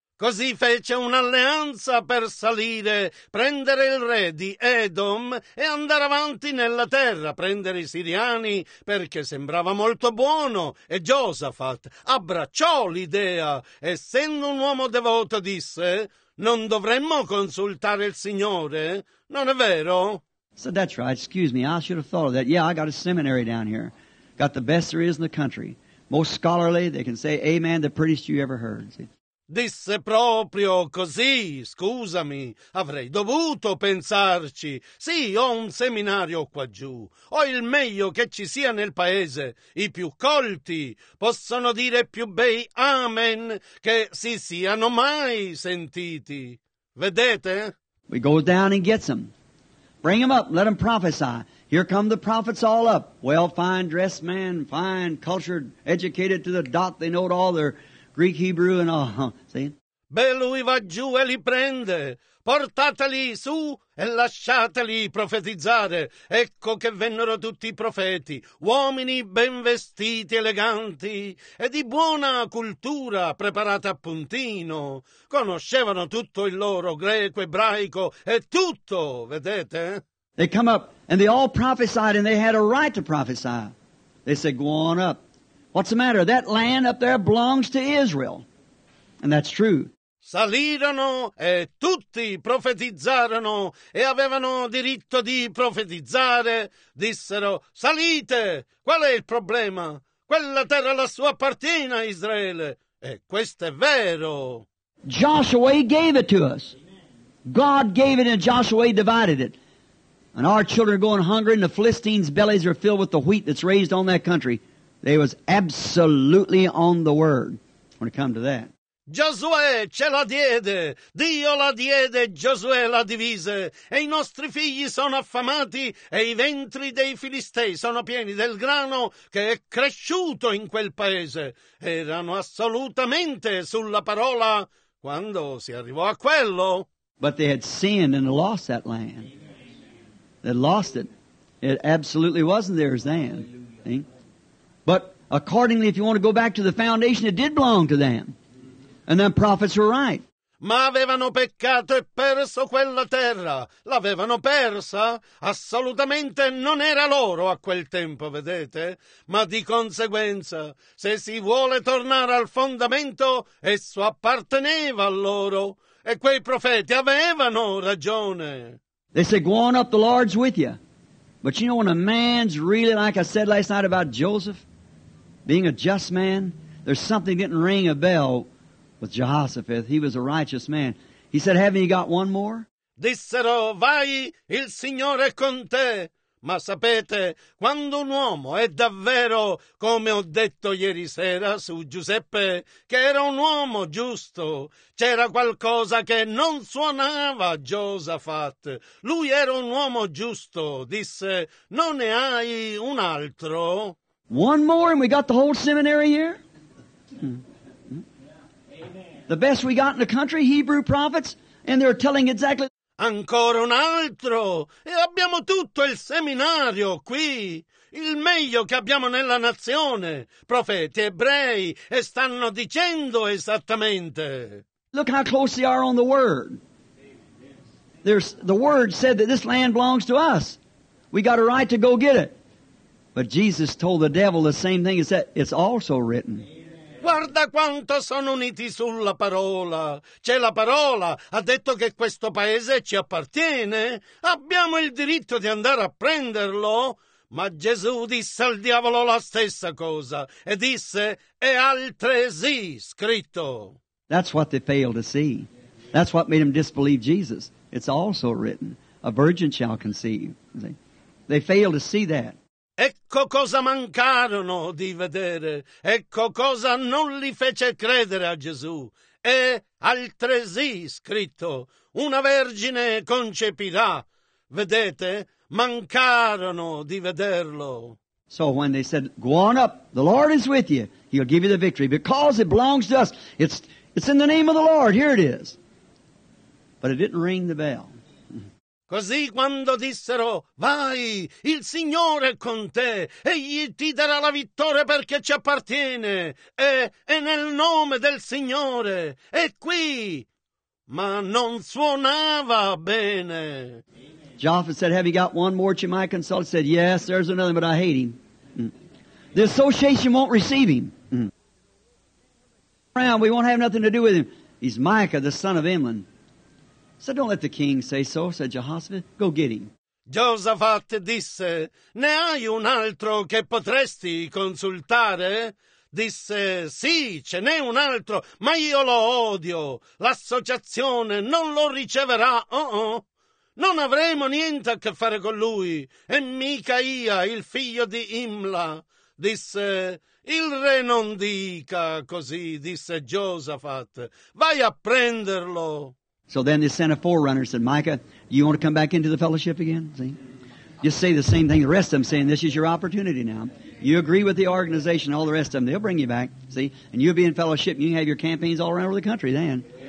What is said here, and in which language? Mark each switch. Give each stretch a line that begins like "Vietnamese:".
Italian: Così fece un'alleanza per salire, prendere il re di Edom e andare avanti nella terra, prendere i siriani, perché sembrava molto buono. E Josaphat abbracciò l'idea, essendo un uomo devoto, disse, non dovremmo consultare il Signore, non è vero?
English: So that's right, excuse me, I should have thought of that. Yeah, I got a seminary down here, got the best there is in the country. Most scholarly, they can say amen, the prettiest you ever heard, see?
Italian: Disse proprio così, scusami, avrei dovuto pensarci. Sì, ho un seminario qua giù, ho il meglio che ci sia nel paese. I più colti possono dire più bei amen che si siano mai sentiti. Vedete?
English: We go down and get them. Bring them up, let them prophesy. Here come the prophets all up. Well, fine dressed man, fine cultured, educated to the dot, they know it all, they're Greek, Hebrew, and all, see?
Italian: Beh, lui va giù e li prende. Portateli su e lasciateli profetizzare. Ecco che vennero tutti i profeti, uomini ben vestiti, eleganti e di buona cultura, preparati a puntino. Conoscevano tutto il loro greco, ebraico e tutto, vedete?
English: They come up and they all prophesied and they had a right to prophesy. They said, go on up. What's the matter? That land up there belongs to Israel. And that's true.
Italian: Salirono e tutti profetizzarono e avevano diritto di profetizzare. Dissero, salite! Qual è il problema? Quella terra la sua appartiene a Israele. E questo è vero.
English: Joshua gave it to us. God gave it and Joshua divided it. And our children are going hungry and the Philistines' bellies are filled with the wheat that's raised on that country. They was absolutely on the word when it come to that.
Italian: Giosuè ce la diede, Dio la diede, Giosuè la divise, e i nostri figli sono affamati, e i ventri dei Filistei sono pieni del grano che è cresciuto in quel paese. Erano assolutamente sulla parola quando si arrivò a quello.
English: But they had sinned and lost that land. They lost it. It absolutely wasn't theirs then. But accordingly, if you want to go back to the foundation, it did belong to them. And the prophets were right.
Italian: Ma avevano peccato e perso quella terra. L'avevano persa. Assolutamente non era loro a quel tempo, vedete? Ma di conseguenza, se si vuole tornare al fondamento, esso apparteneva a loro. E quei profeti avevano ragione.
English: They said, go on up, the Lord's with you. But you know, when a man's really, like I said last night about Joseph, being a just man, there's something didn't ring a bell with Jehoshaphat. He was a righteous man. He said, haven't you got one more?
Italian: dissero, vai, il Signore è con te. Ma sapete, quando un uomo è davvero, come ho detto ieri sera su Giuseppe, che era un uomo giusto, c'era qualcosa che non suonava a Giosafat. Lui era un uomo giusto, disse, non ne hai un altro?
English: One more and we got the whole seminary here? The best we got in the country, Hebrew prophets, and they're telling exactly...
Italian: Ancora un altro! E abbiamo tutto il seminario qui! Il meglio che abbiamo nella nazione! Profeti ebrei! E stanno dicendo esattamente!
English: Look how close they are on the Word! There's, the Word said that this land belongs to us! We got a right to go get it! But Jesus told the devil the same thing as that. It's also written.
Italian: Guarda quanto sono uniti sulla parola. C'è la parola. Ha detto che questo paese ci appartiene. Abbiamo il diritto di andare a prenderlo. Ma Gesù disse al diavolo la stessa cosa. E disse, è altresì scritto.
English: That's what they failed to see. That's what made them disbelieve Jesus. It's also written. A virgin shall conceive. They failed to see that.
Italian: Ecco cosa mancarono di vedere, ecco cosa non li fece credere a Gesù. È altresì scritto, una vergine concepirà. Vedete, mancarono di vederlo.
English: So when they said, go on up, the Lord is with you, he'll give you the victory, because it belongs to us, it's in the name of the Lord, here it is. But it didn't ring the bell.
Italian: Così quando dissero, vai, il Signore è con te, egli ti darà la vittoria perché ci appartiene, è nel nome del Signore, è qui, ma non suonava bene.
English: Jophet said, have you got one more that you might consult? He said, yes, there's another, but I hate him. The association won't receive him. We won't have nothing to do with him. He's Micah, the son of Imlan. So don't let the king say so, said Jehoshaphat. Go get him.
Italian: Josaphat disse, ne hai un altro che potresti consultare? Disse, sì, ce n'è un altro, ma io lo odio. L'associazione non lo riceverà. Non avremo niente a che fare con lui. E Micaia, il figlio di Imla, disse, il re non dica così, disse Josaphat. Vai a prenderlo.
English: So then they sent a forerunner and said, Micah, you want to come back into the fellowship again? See? Just say the same thing. The rest of them saying, this is your opportunity now. You agree with the organization, all the rest of them, they'll bring you back. See? And you'll be in fellowship and you can have your campaigns all around the country then.